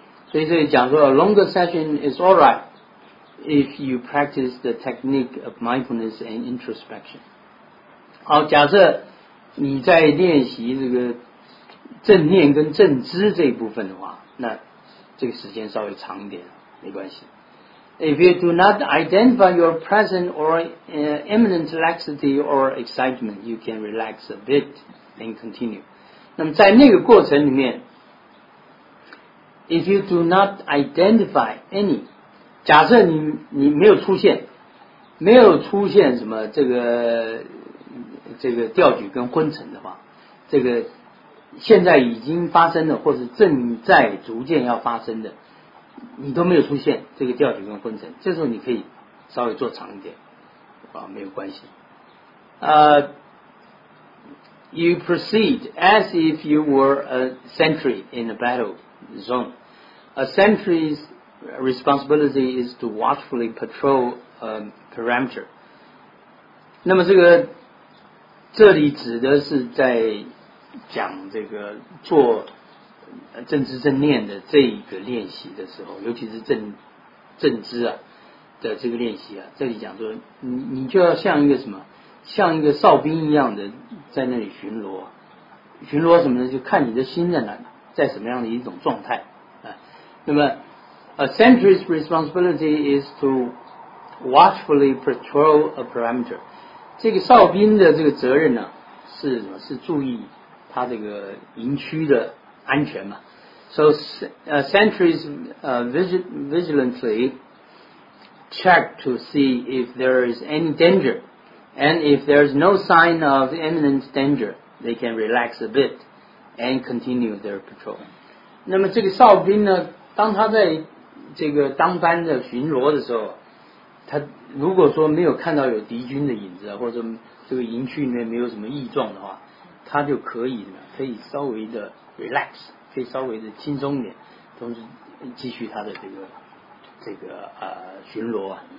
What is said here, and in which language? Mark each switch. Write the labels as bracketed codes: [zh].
[zh] 所以这里讲说 [en] longer session is alright if you practice the technique of mindfulness and introspection。 [zh] 好，假设你在练习这个正念跟正知这一部分的话，那这个时间稍微长一点没关系。 [en] If you do not identify your present or imminent laxity or excitement, you can relax a bit and continue. [zh] 那么在那个过程里面 ， [en] If you do not identify any， [zh] 假设你没有出现，没有出现什么这个调举跟昏沉的话，这个现在已经发生的或是正在逐渐要发生的。你都没有出现这个调举跟昏沉，这时候你可以稍微做长一点啊，没有关系。 [en] You proceed as if you were a sentry in a battle zone. A sentry's responsibility is to watchfully patrol a perimeter. [zh] 那么这里指的是在讲这个做正知正念的这个练习的时候，尤其是正知啊的这个练习啊，这里讲说你就要像一个什么，像一个哨兵一样的在那里巡逻什么的，就看你的心在哪，在什么样的一种状态啊。那么 [en] ，a sentry's responsibility is to watchfully patrol a perimeter。 [zh] 这个哨兵的这个责任呢，是什么？是注意他这个营区的安全嘛。 [en] So sentries vigilantly check to see if there is any danger, and if there is no sign of imminent danger, they can relax a bit and continue their patrol. [zh] 那么这个哨兵呢，当他在这个当班的巡逻的时候，他如果说没有看到有敌军的影子，或者这个营区里面没有什么异状的话，他就可以稍微的relax， 可以稍微的轻松一点，同时继续他的这个巡逻啊。